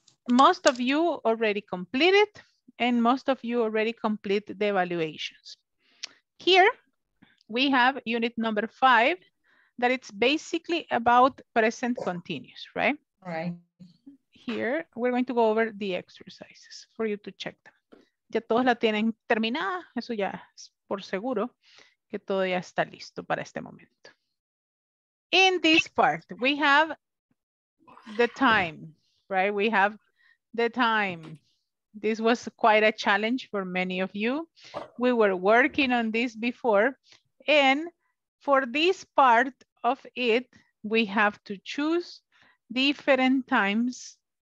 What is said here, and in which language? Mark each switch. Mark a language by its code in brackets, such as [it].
[en] Most of you already completed, and most of you already complete the evaluations. Here we have unit number 5, that it's basically about present continuous, right? Right. Here we're going to go over the exercises for you to check them. [es] Ya todos la tienen terminada, eso ya es por seguro que todo ya está listo para este momento. [en] In this part, we have the time, right? We have the time. This was quite a challenge for many of you. We were working on this before, and for this part of it, we have to choose different times